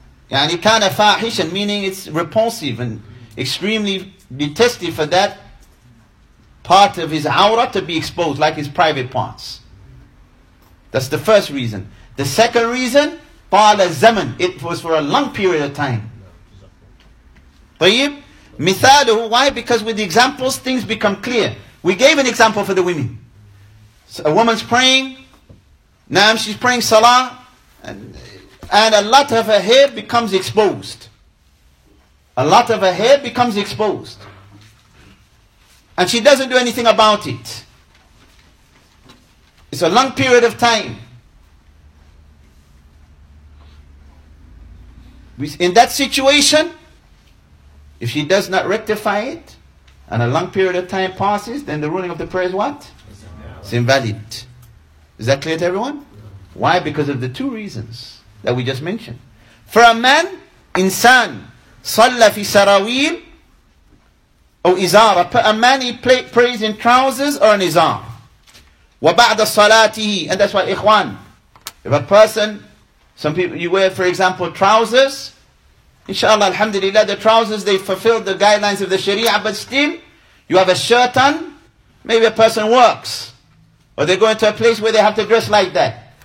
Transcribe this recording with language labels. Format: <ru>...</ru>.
<ar>يعني كان فاحشا,</ar> <en>meaning it's repulsive and extremely detested for that part of his aura to be exposed, like his private parts. That's the first reason. The second reason,</en> <ar>طال الزمن,</ar> <en>it was for a long period of time.</en> <ar>طيب, مثاله,</ar> <en>why? Because with the examples, things become clear. We gave an example for the women. So a woman's praying, now she's praying salah, and a lot of her hair becomes exposed. A lot of her hair becomes exposed. And she doesn't do anything about it. It's a long period of time. In that situation, if she does not rectify it, and a long period of time passes, then the ruling of the prayer is what? It's invalid. Is that clear to everyone? Why? Because of the two reasons that we just mentioned. For a man, insan,</en> <ar>صلى في سراويل أو إزارة.</ar> <en>A man, he prays in trousers or an izar.</en> <ar>وبعد صلاته.</ar> <en>And that's why, ikhwan, if a person, some people, you wear, for example, trousers, inshallah, alhamdulillah, the trousers, they fulfill the guidelines of the sharia, but still, you have a shirt on, maybe a person works, or they go into a place where they have to dress like that.</en>